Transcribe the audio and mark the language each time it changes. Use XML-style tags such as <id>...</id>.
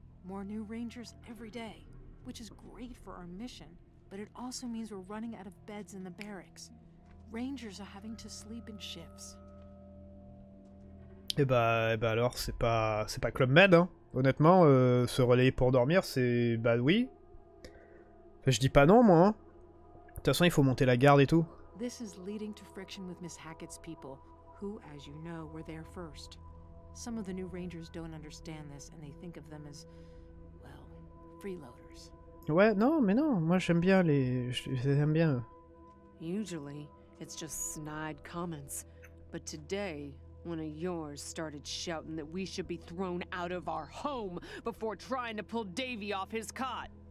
<en>More new rangers every day, which is great for our mission, but it also means we're running out of beds in the barracks. Rangers are having to sleep in shifts.</en> <fr>Et bah alors, c'est pas Club Med, hein. Honnêtement, se relayer pour dormir, c'est... Bah oui. Enfin, je dis pas non, moi. De toute façon, il faut monter la garde et tout.</fr> <en>This is leading to friction with Miss Hackett's people. Who, as you know, were there first. Some of the new rangers don't understand this, and they think of them as, well, freeloaders.</en> <fr>Ouais, non, mais non, moi j'aime bien les... j'aime bien eux.</fr> <en>Usually, it's just snide comments. But today, one of yours started shouting that we should be thrown out of our home before trying to pull Davy off his cot.</en>